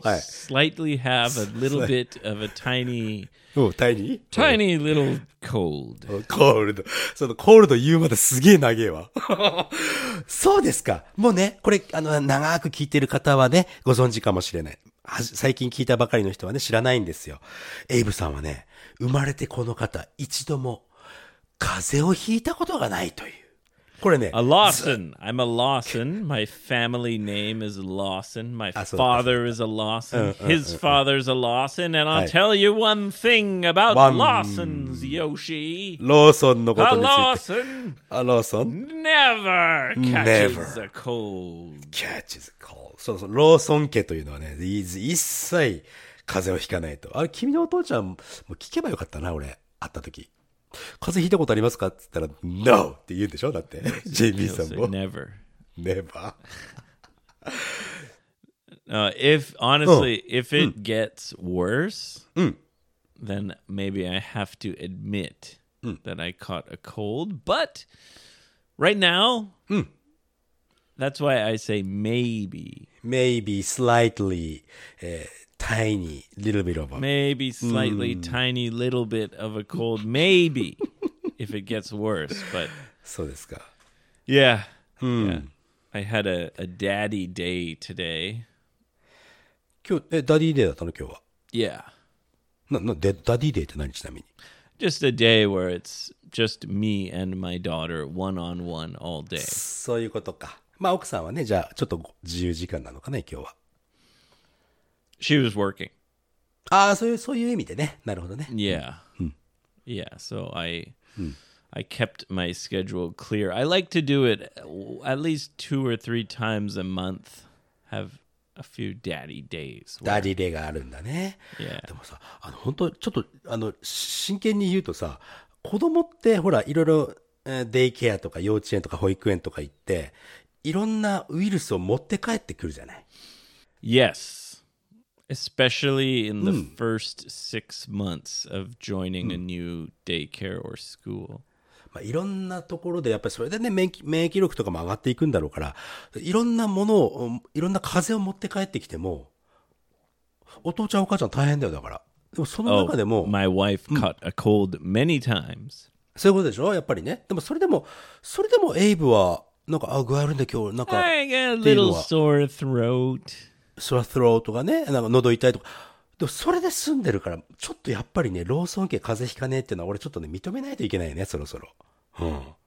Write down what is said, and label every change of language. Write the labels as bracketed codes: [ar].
[en] I slightly have a little bit of a tiny. Oh, tiny? Tiny little cold. Cold. [ja] そのコールド言うまですげえ長えわ。そうですか。もうね、これ、長く聞いてる方はね、ご存知かもしれない。最近聞いたばかりの人はね、知らないんですよ。エイブさんはね、生まれてこの方、一度も、風邪をひいたことがないという。これね。 [en] A Lawson. I'm a Lawson. My family name is Lawson. My father is a Lawson. His father's a Lawson. And I'll tell you one thing about Lawsons, Yoshi. [ja] Lawson のことについて。 [en] A Lawson. A Lawson. Never catches a cold. Catches a cold. [ja] そうそう。 Lawson 家というのはね、一切風邪をひかないと。あれ、君のお父ちゃん、もう聞けばよかったな、俺。会った時。風邪ひいたことありますかって言ったら No! って言うんでしょだって JB さんも [en] Never Never If honestly、うん、if it gets worse、うん、 then maybe I have to admit、うん、that I caught a cold but right now、うん、 that's why I say maybe maybe slightly、tiny little bit of a maybe slightly、mm. tiny little bit of a cold maybe if it gets worse but [ja] そうですか [en] yeah,、mm. yeah. I had a daddy day today [ja] 今日ダディデーだったの今日は [en] yeah [ja] なでダディデーって何ちなみに [en] just a day where it's just me and my daughter one on one all day [ja] そういうことかまあ奥さんはねじゃあちょっと自由時間なのかね今日は [en] She was working. [ja] ああ、そういう、そういう意味でね。なるほどね。 [en] Yeah.、うん、 yeah, so I,、うん、I kept my schedule clear. I like to do it at least two or three times a month. Have a few daddy days. [ja] Daddy day があるんだね。 [en] Yeah. [ja] でもさ、本当、ちょっと、真剣に言うとさ、子供ってほら、いろいろ、デイケアとか幼稚園とか保育園とか行って、いろんなウイルスを持って帰ってくるじゃない。 [en] Yes. Especially in the、うん、first six months of joining、うん、a new daycare or school. [ja] まあ、いろんなところでやっぱりそれでね免疫力とかも上がっていくんだろうから、いろんなものをいろんな風邪を持って帰ってきても、お父ちゃんお母ちゃん大変だよだから。でもその中でも、 [en] oh, my wife caught a cold many times.、 [ja] うん、そういうことでしょやっぱりね。でもそれでもエイブはなんかあ具合あるんだ今日なんか。 [en] I got a little sore throat. [ja] Sore throat とかね、なんか喉痛いとか。でもそれで済んでるから、ちょっとやっぱりね、ローソン家風邪ひかねえっていうのは、俺ちょっとね、認めないといけないね、そろそろ。うん。